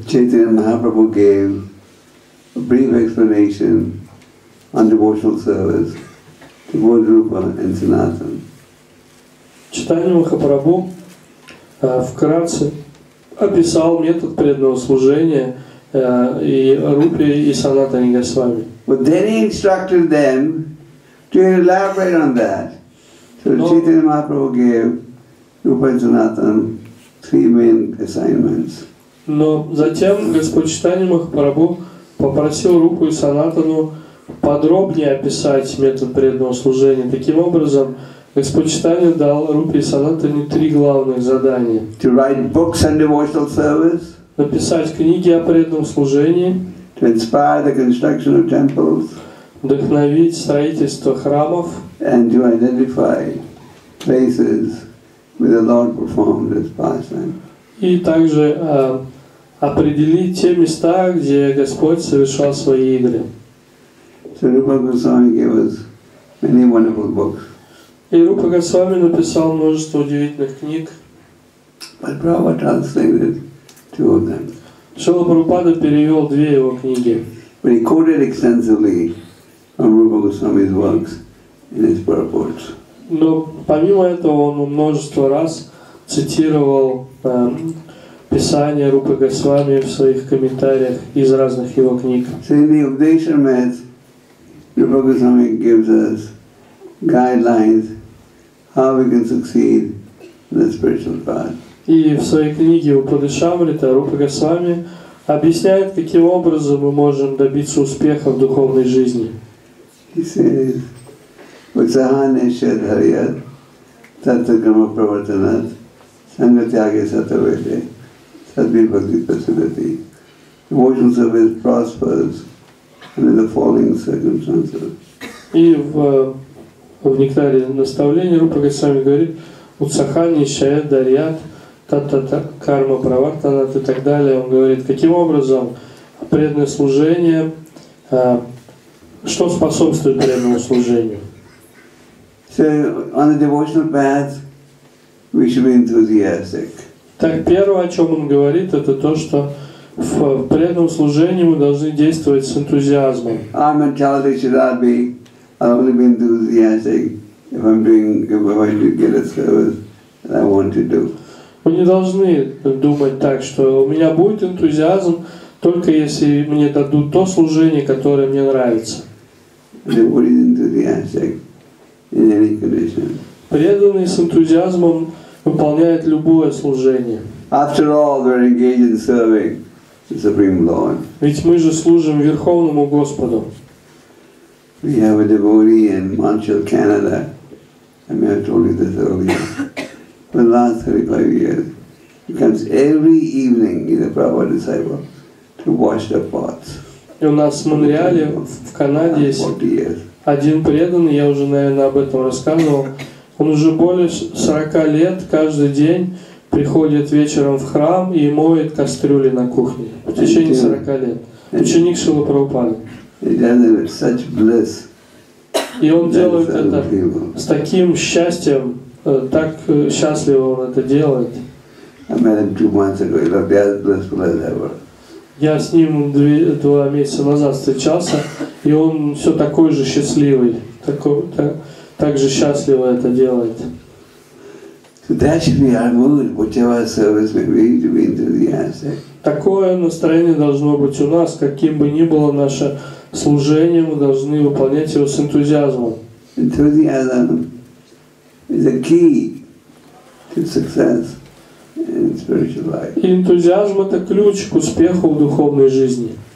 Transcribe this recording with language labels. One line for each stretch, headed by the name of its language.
English: Chaitanya Mahaprabhu gave a brief explanation on devotional service to both Rupa and Sanatana.
Russian: Чайтанья Махапрабху вкратце описал метод преданного служения и Рупе, и Санатане Госвами.
English: But then he instructed them to elaborate on that. So Чайтанья Махапрабху gave Рупе и Санатан three main assignments.
Russian: Но затем Господь Чайтанья Махапрабху попросил Рупу и Санатану подробнее описать метод преданного служения. Таким образом, Господь Чайтанья дал Рупе и Санатане три главных задания.
English: To write books on devotional service.
Russian: Написать книги о преданном служении.
English: To inspire the construction of temples.
Russian: Вдохновить строительство храмов.
English: And to identify places where the Lord performed his pastime.
Russian: И также определить те места, где Господь совершал свои игры.
English: So Rupa Goswami gave us many wonderful books.
Russian: И Рупа Госвами написал множество удивительных книг.
English: But Prabhupada translated two of them.
Russian: Шрила Прабхупада перевел две его книги.
English: But he quoted extensively from Rupa Goswami's works in his purports.
Russian: Но помимо этого он множество раз цитировал писания Рупы Госвами в своих комментариях из разных его книг.
English: So in the Updation Math, Rupa Goswami gives us guidelines how we can succeed in the spiritual path.
Russian: И в своей книге Упадешамрита Рупа Госвами объясняет, каким образом мы можем добиться успеха в духовной жизни.
Sanskrit: He says, Utsahane Shadharyat Tattva Gama Pravartanat Sangatyage Satavede Sadvir Bhakti Pasivati.
English: Devotional service prospers under the following circumstances.
Russian: И в нектаре наставления Рупа Госвами говорит
Sanskrit: Утсахани Шаят Дарьят Та-та-та Карма Правартанат
Russian: и так далее. Он говорит, каким образом преданное служение, что способствует преданному служению.
English: So on the devotional path we should be enthusiastic.
Russian: Так первое, о чем он говорит, это то, что в преданном служении мы должны действовать с энтузиазмом.
English: Our mentality should not be I'll only be enthusiastic if I'm doing going to get a service that I want to do.
Russian: Мы не должны думать так, что у меня будет энтузиазм только если мне дадут то служение, которое мне нравится.
English: Devotee is enthusiastic in any condition.
Russian: Преданный с энтузиазмом выполняет любое служение.
English: After all, we're engaged in serving the Supreme Lord.
Russian: Ведь мы же служим Верховному Господу.
English: We have a devotee in Montreal, Canada. I may have told you this earlier. For the last 35 years, he comes every evening, he's a Prabhupada disciple, to wash the pots.
Russian: И у нас в Монреале, в Канаде, есть один преданный, я уже, наверное, об этом рассказывал. Он уже более 40 лет каждый день приходит вечером в храм и моет кастрюли на кухне. В течение 40 лет. Ученик Шрилы Прабхупады.
English: He does it with such bliss.
Russian: И он делает это с таким счастьем, так счастливо он это делает.
English: I met him 2 months ago. He looked as blissful as ever.
Russian: Я с ним 2 месяца назад встречался, и он все такой же счастливый, так же счастливо это делает.
English: So that should be our mood, whichever service may be, to be enthusiastic.
Russian: Такое настроение должно быть у нас, каким бы ни было наше служение, мы должны выполнять его с энтузиазмом.
English: Enthusiasm is a key to success in spiritual life.
Russian: И энтузиазм это ключ к успеху в духовной жизни.